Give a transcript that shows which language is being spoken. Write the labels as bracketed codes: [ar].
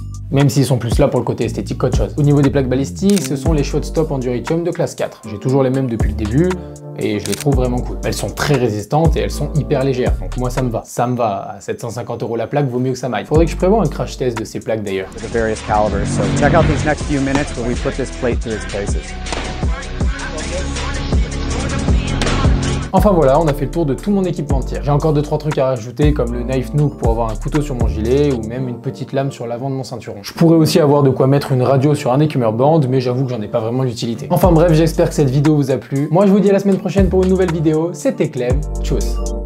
[fr] Même s'ils sont plus là pour le côté esthétique qu'autre chose. Au niveau des plaques balistiques, ce sont les Shotstop Endurithium de classe 4. J'ai toujours les mêmes depuis le début et je les trouve vraiment cool. Elles sont très résistantes et elles sont hyper légères, donc moi ça me va. Ça me va, à 750€ la plaque, vaut mieux que ça m'aille. Faudrait que je prévoie un crash test de ces plaques d'ailleurs. [en] The various calibers, so check out these next few minutes where we put this plate to its places. [fr] Enfin voilà, on a fait le tour de tout mon équipement de tir. J'ai encore 2-3 trucs à rajouter, comme le knife nook pour avoir un couteau sur mon gilet, ou même une petite lame sur l'avant de mon ceinturon. Je pourrais aussi avoir de quoi mettre une radio sur un écumeur band, mais j'avoue que j'en ai pas vraiment l'utilité. Enfin bref, j'espère que cette vidéo vous a plu. Moi je vous dis à la semaine prochaine pour une nouvelle vidéo. C'était Clem, tchuss.